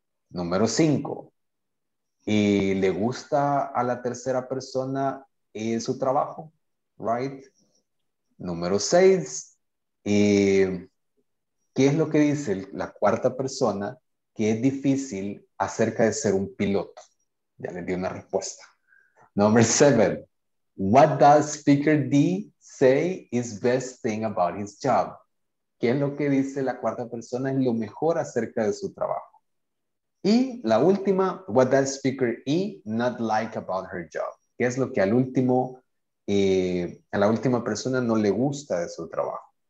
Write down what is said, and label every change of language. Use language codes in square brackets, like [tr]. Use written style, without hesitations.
[es] Número cinco. ¿Y le gusta a la tercera persona su trabajo? Right. Número seis. ¿Qué es lo que dice la cuarta persona que es difícil acerca de ser un piloto? Ya les di una respuesta. Número seven. [en] What does speaker D say is best thing about his job? [es] ¿Qué es lo que dice la cuarta persona es lo mejor acerca de su trabajo? Y la última, [en] what does speaker E not like about her job? [es] ¿Qué es lo que al último, a la última persona no le gusta de su trabajo?